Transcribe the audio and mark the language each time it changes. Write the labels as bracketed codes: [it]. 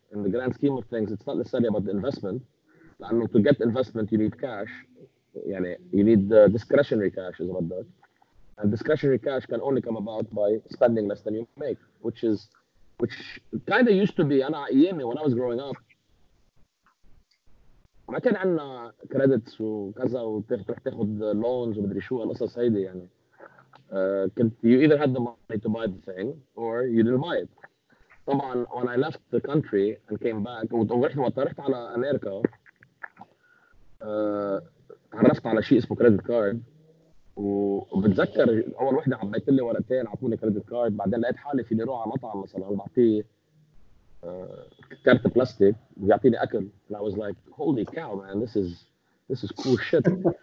[en] In the grand scheme of things, it's not necessarily about the investment. [ar] لأنه [en] to get investment, you need cash. [ar] يعني [en] you need the discretionary cash is about that. And discretionary cash can only come about by spending less than you make, which kind of used to be [ar] أنا أيامي [en] when I was growing up. [ar] ما كان عندنا credits وكذا وتروح تاخد loans ومدري شو القصص هيدي يعني. [en] You either had the money to buy the thing or you didn't buy it. [ar] طبعا [en] when I left the country and came back [ar] ورحت على أمريكا عرفت على شيء اسمه credit card وبتذكر أول واحدة عبيت لي ورقتين عطوني credit card بعدين لقيت حالي في نروح على مطعم مثلا بعطيه كارت بلاستيك بيعطيني أكل [en] and I was like holy cow man this is cool shit.